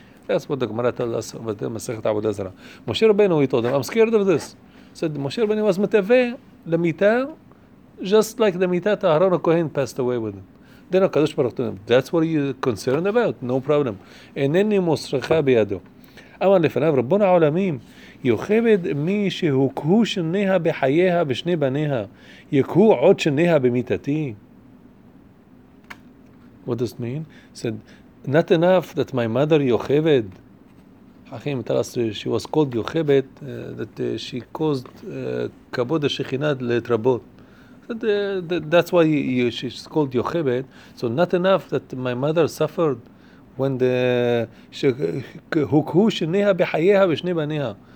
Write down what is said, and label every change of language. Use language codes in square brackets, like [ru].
[en] Yes, what the Gemara tells us about the Masechet Avodah Zarah. Moshe Rabbeinu, he told him, I'm scared of this. Said Moshe Rabbeinu was Meteve Lemita, just like the Mita to Aharon HaKohen passed away with him. Then HaKadosh Baruch Hu, that's what you're concerned about, no problem. [he] Enenni Mosrecha Biyado. אמר לפניו רבון העולמים יוכבד מי שהוקהו שניה בחייה ושני בניה יקהו עוד שניה במיטתי. [en] What does it mean? Said, not enough that my mother יוכבד. אחים, tell us, she was called יוכבד, that she caused [he] כבוד השכינה להתרבות. [en] That's why she's called יוכבד. So not enough that my mother suffered when the [he] hukhu sheneha b'chayeha v'shne baneha.